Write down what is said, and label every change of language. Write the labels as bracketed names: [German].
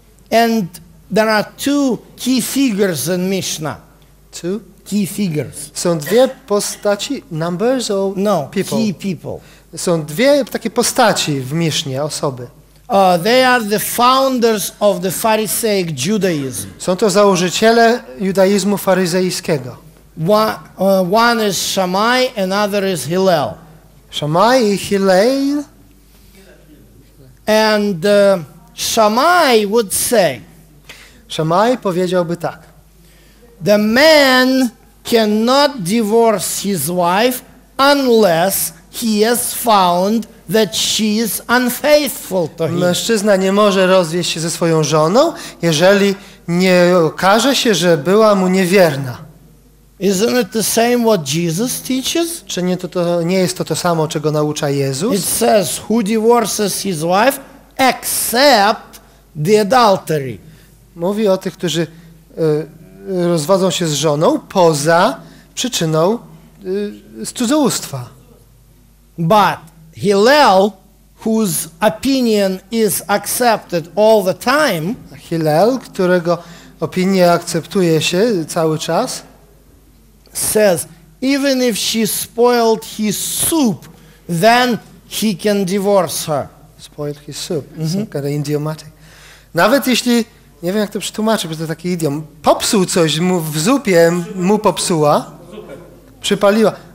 [English] And there are two key figures in Mishnah. Two? Key figures. [Polish] Są dwie postaci, [English] numbers or no, people? Key people. [Polish] Są dwie takie postaci w Misznie, osoby. [English] They are the founders of the Pharisaic Judaism. [Polish] Są to założyciele judaizmu faryzejskiego. [English] One is Shammai, another is Hillel. [Polish] Shammai i Hillel. [English] And Shammai would say. [Polish] Shammai powiedziałby tak. [English] The man cannot divorce his wife unless he has found that she is unfaithful to him. [Polish] Mężczyzna nie może rozwieść się ze swoją żoną, jeżeli nie okaże się, że była mu niewierna. [English] Isn't it the same what Jesus teaches? [Polish] Czy nie to nie jest to samo, czego naucza Jezus? [English] It says who divorces his wife except the adultery. [Polish] Mówi o tych, którzy rozwodzą się z żoną poza przyczyną cudzołóstwa. [English] But Hillel, whose opinion is accepted all the time, [Polish] Hillel, którego opinia akceptuje się cały czas, [English] says even if she spoiled his soup, then he can divorce her. Spoiled his soup. Mm-hmm. Some kind of idiomatic. [Polish] Nawet jeśli nie wiem, jak to przetłumaczyć, bo to taki idiom. Popsuł coś mu w zupie, mu popsuła. Zupę. Przypaliła.